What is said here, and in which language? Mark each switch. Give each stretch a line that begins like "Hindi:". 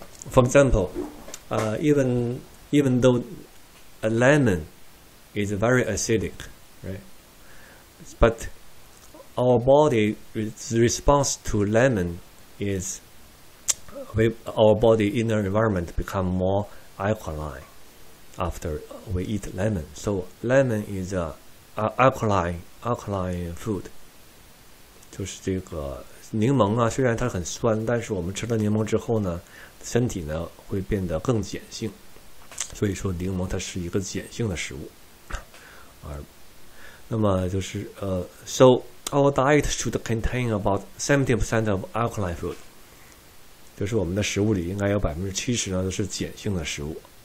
English: For example, even though a lemon is very acidic, right? But our body response to lemon is we, our body inner environment become more alkaline after we eat lemon. So lemon is a alkaline food.
Chinese: 就是这个柠檬啊，虽然它很酸，但是我们吃了柠檬之后呢，身体呢会变得更碱性。所以说柠檬它是一个碱性的食物。而那么就是
English: So our diet should contain about 70% of alkaline food.
Chinese: 就是我们的食物里应该有70%呢都是碱性的食物。